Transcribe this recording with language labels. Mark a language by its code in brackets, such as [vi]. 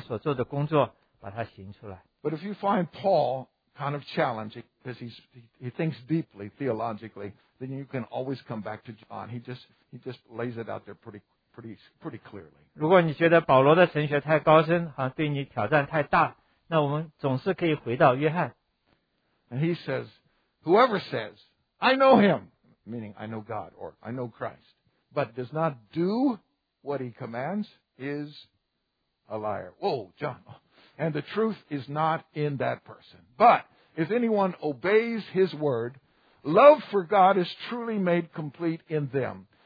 [zh] 如果我们还没有这样的习惯，让它变成我们这样，让它来变成我们的习惯，把神正在我们里面所做的工作，把它行出来。 [en] But if you find Paul kind of challenging, because he thinks deeply, theologically, then you can always come back to John. He just lays it out there pretty clearly. [zh] 如果你觉得保罗的神学太高深，对你挑战太大，那我们总是可以回到约翰。 [en] And he says, whoever says, I know him, meaning I know God or I know Christ, but does not do what he commands is a liar. Whoa, John. And the truth is not in that person. But if anyone obeys his word, love for God is truly made complete in them.